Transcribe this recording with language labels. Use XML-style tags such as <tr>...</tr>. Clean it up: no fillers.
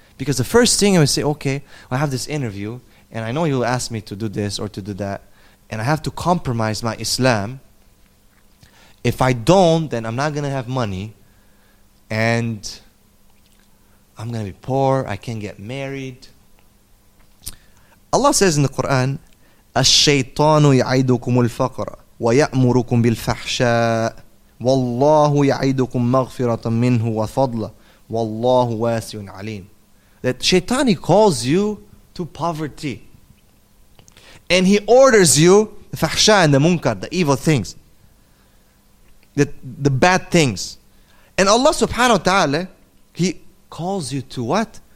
<en>Because the first thing I would say, okay, I have this interview, and I know you'll ask me to do this or to do that, and I have to compromise my Islam. If I don't, then I'm not going to have money, and I'm going to be poor, I can't get married. Allah says in the Quran,</en> <ar>الشيطان يعيدكم الفقر ويأمركم بالفحشاء والله يعيدكم مغفرة منه وفضلا والله واسع عليم.</ar> <en>That shaitan, he calls you to poverty. And he orders you, the fahsha and the munkar, the evil things, the bad things. And Allah subhanahu wa ta'ala, he calls you to what?</en>